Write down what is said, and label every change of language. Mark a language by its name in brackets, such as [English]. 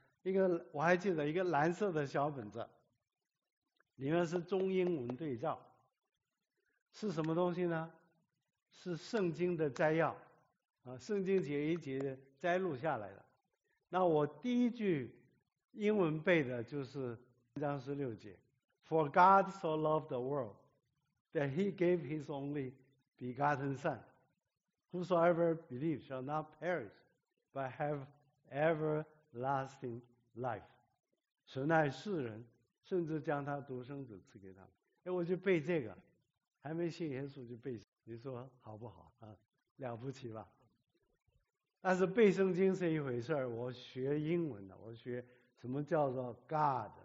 [Chinese] 一个我还记得，一个蓝色的小本子，里面是中英文对照，是什么东西呢？是圣经的摘要啊，圣经节一节摘录下来的。那我第一句英文背的就是3:16。 [English] For God so loved the world that he gave his only begotten son, whosoever believes shall not perish, but have everlasting life. [Chinese] 神爱世人，甚至将他独生子赐给他们。哎，我就背这个，还没信耶稣就背，你说好不好啊？了不起吧？但是背圣经是一回事儿，我学英文的，我学什么叫做 God。